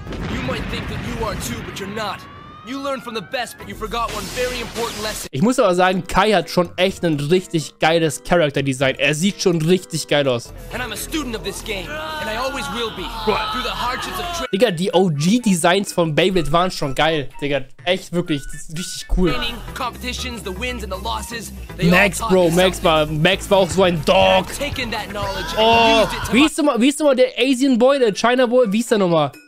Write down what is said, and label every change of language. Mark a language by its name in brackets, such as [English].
[English] You might think that you are too, but you're not. You learned from the best, but you forgot one very important lesson. [German] Ich muss aber sagen, Kai hat schon echt ein richtig geiles Character Design. Er sieht schon richtig geil aus. [English] And I'm a student of this game, and I always will be. Through the hardships of [German] Digga, die OG Designs von Beyblade waren schon geil. Digga, echt wirklich, das ist richtig cool. [English] Training, competitions, the wins and the losses, they Max, all bro, Max something. [German] Max war auch so ein Dog. Oh, wie ist nochmal der Asian Boy, der China Boy, wie ist der nochmal?